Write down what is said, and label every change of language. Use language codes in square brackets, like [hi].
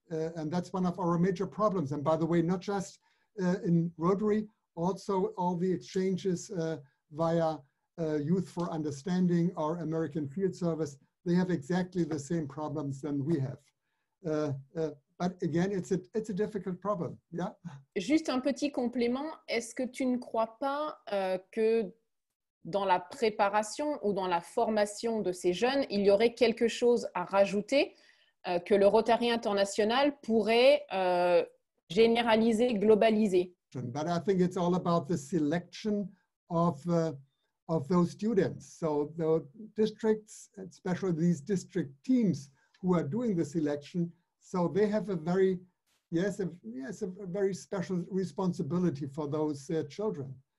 [en] And that's one of our major problems. And by the way, not just in Rotary, also all the exchanges via Youth for Understanding or American Field Service, they have exactly the same problems than we have. But again, it's a difficult problem, yeah? [fr] Juste un petit complément, est-ce que tu ne crois pas que dans la préparation ou dans la formation de ces jeunes, il y aurait quelque chose à rajouter que le Rotary International pourrait généraliser, globaliser? [en] But I think it's all about the selection of those students. So the districts, especially these district teams who are doing the selection, so they have a very special responsibility for those children.